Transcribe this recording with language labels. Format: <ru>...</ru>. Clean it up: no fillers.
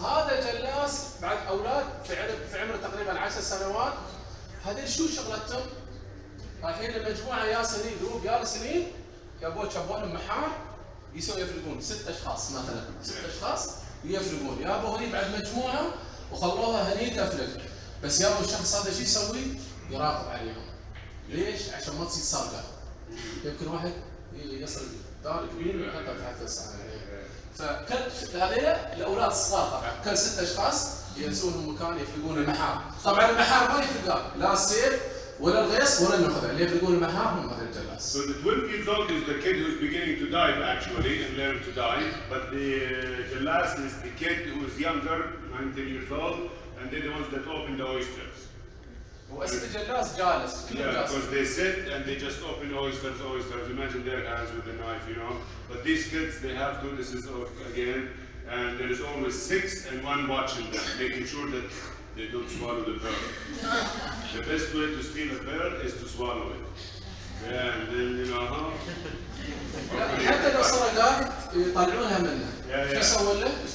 <ar>هذا جلاس بعد اولاد في عمره تقريبا 10 سنوات هذول شو شغلتهم؟ رايحين لمجموعه يا سنين جروب يا سنين يبون يشبون المحار يسوون يفرقون ست اشخاص مثلا ست اشخاص يفرقون يابوا هني بعد مجموعه وخلوها هني تفرق بس يابوا الشخص هذا شو يسوي؟ يراقب عليهم ليش؟ عشان ما تصير سرقه يمكن واحد يصل دار كبير ويحطها تحت السعر فكل هذول الاولاد الصغار طبعا كل ست اشخاص ينسون المكان يفرقون المحار طبعا المحار ما يفرق لا السيف ولا الغيص ولا النخبه اللي يفرقون المحار هم هذول الجلاس.</ar> <en>So the 12 years old is the kid who's beginning to dive actually and learn to dive, but the jalas is the kid who's younger, 19 years old, and they're the ones that open the oysters.</en> <ar>واسم الجلاس جالس كل</ar> <en>Yeah, because they sit and they just open oysters, oysters. Imagine their hands with the knife, you know. But these kids, they have to, this is again, and there is always six and one watching them, making sure that they don't swallow the pearl. The best way to steal a pearl is to swallow it.</en> <ar>حتى لو صار قاعد يطلعونها منه شو يسوون له؟</ar>